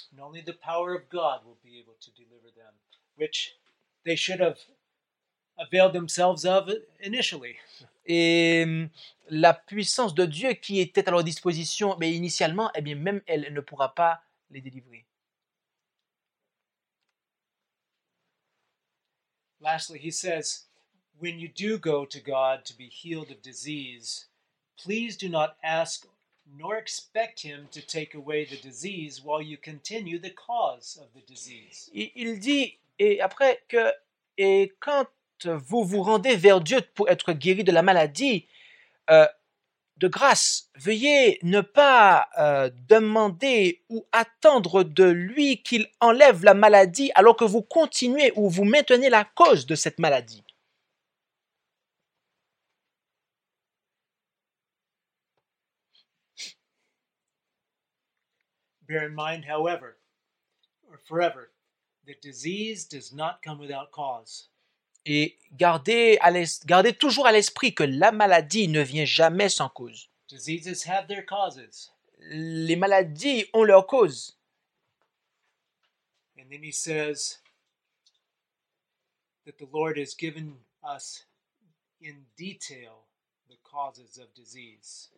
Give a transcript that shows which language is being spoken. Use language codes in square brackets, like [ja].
[en] And only the power of God will be able to deliver them, which they should have availed themselves of initially. [fr] Et la puissance de Dieu qui était à leur disposition, mais initialement, eh bien, même elle ne pourra pas les délivrer. [en] Lastly, he says, when you do go to God to be healed of disease, please do not ask nor expect Him to take away the disease while you continue the cause of the disease. [fr] Il dit. Et après que, et quand vous vous rendez vers Dieu pour être guéri de la maladie, de grâce, veuillez ne pas demander ou attendre de lui qu'il enlève la maladie alors que vous continuez ou vous maintenez la cause de cette maladie. [en] Bear in mind, however, or forever, the disease does not come without cause. [fr] Et gardez toujours à l'esprit que la maladie ne vient jamais sans cause. [en] Diseases have their causes. [fr] Les maladies ont leurs causes. [en] And then he says, that the Lord has given us in detail the causes of disease.